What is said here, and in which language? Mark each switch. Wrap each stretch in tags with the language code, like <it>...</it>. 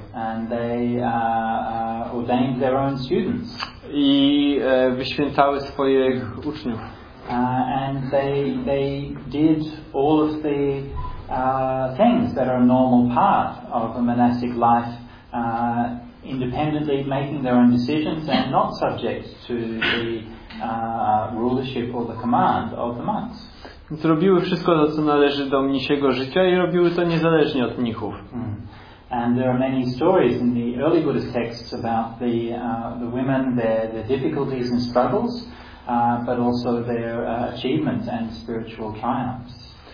<en>And they ordained their own students.</en> <pl>I wyświęcały swoich uczniów.</pl> <en>And they did all of the things that are a normal part of a monastic life, independently making their own decisions and not subject to the rulership or the command of the monks.</en> <pl>Więc robiły wszystko to, co należy do mnisiego życia i robiły to niezależnie od mnichów.</pl> <en>And there are many stories in the early Buddhist texts about the women, their difficulties and struggles, but also their achievements and spiritual triumphs.</en>